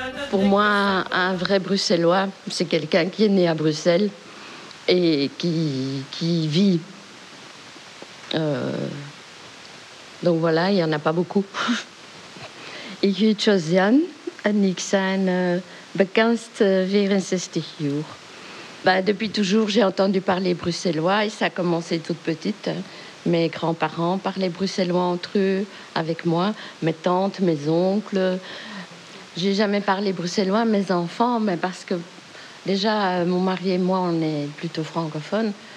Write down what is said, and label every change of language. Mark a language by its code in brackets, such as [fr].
[fr] Pour moi, un vrai Bruxellois, c'est quelqu'un qui est né à Bruxelles et qui vit. Donc voilà, il n'y en a pas beaucoup. [nl] Ik heet Josiane en ik ben bekendst 64 jaar. [fr] Bah, depuis toujours, j'ai entendu parler bruxellois et ça a commencé toute petite. Mes grands-parents parlaient bruxellois entre eux, avec moi, mes tantes, mes oncles. J'ai jamais parlé bruxellois à mes enfants, mais parce que déjà, mon mari et moi, on est plutôt francophones.